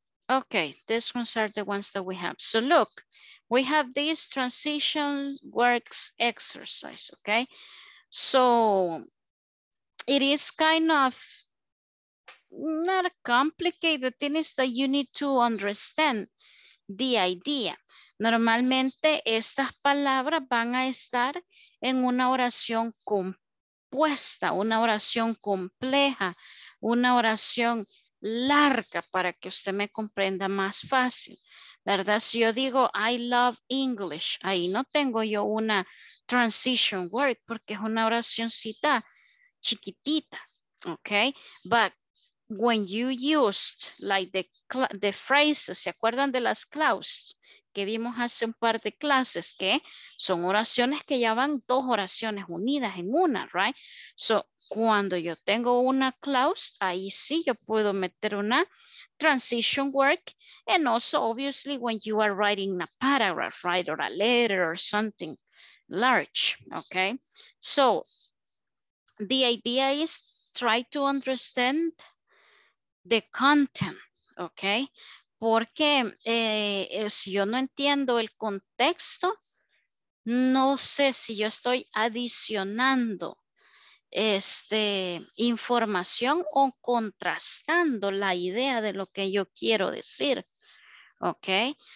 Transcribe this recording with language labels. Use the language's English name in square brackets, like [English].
[English] Okay, these ones are the ones that we have. So look, we have these transition works exercise, okay? So it is kind of not complicated. The thing is that you need to understand the idea. [Spanish] Normalmente estas palabras van a estar en una oración compuesta, una oración compleja, una oración larga para que usted me comprenda más fácil, ¿verdad? Si yo digo [English] I love English, [Spanish] ahí no tengo yo una transition word porque es una oracioncita chiquitita, ¿ok? [English] But when you used like the phrases, [Spanish] ¿se acuerdan de las clauses que vimos hace un par de clases? Que son oraciones que ya van dos oraciones unidas en una, right? So, cuando yo tengo una clause, ahí sí yo puedo meter una transition word. [English] And also, obviously, when you are writing a paragraph, right? Or a letter or something large, okay? So, the idea is try to understand the content, okay? [Spanish] Porque si yo no entiendo el contexto, no sé si yo estoy adicionando información o contrastando la idea de lo que yo quiero decir, okay?